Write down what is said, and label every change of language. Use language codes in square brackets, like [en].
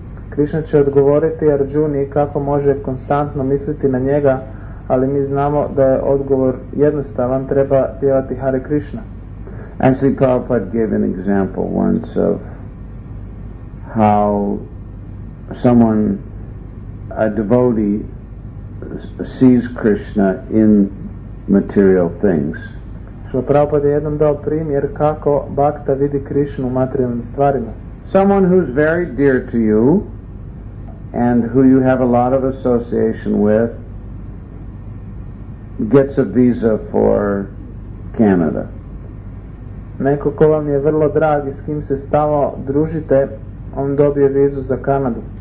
[hr] Krishna će odgovoriti Arjuni kako može konstantno misliti na njega, ali mi znamo da je odgovor jednostavan, treba pjevati Hare Krishna. [en] Actually, Prabhupada gave an example once of how someone, a devotee, sees Krishna in material things. [hr] Što Prabhupada je jednom dao primjer kako bhakta vidi Krishnu u materijalnim stvarima. [en] Someone who's very dear to you and who you have a lot of association with gets a visa for Canada. [hr] Neko ko vam je vrlo drag i s kim se stalo družite, on dobije vizu za Kanadu.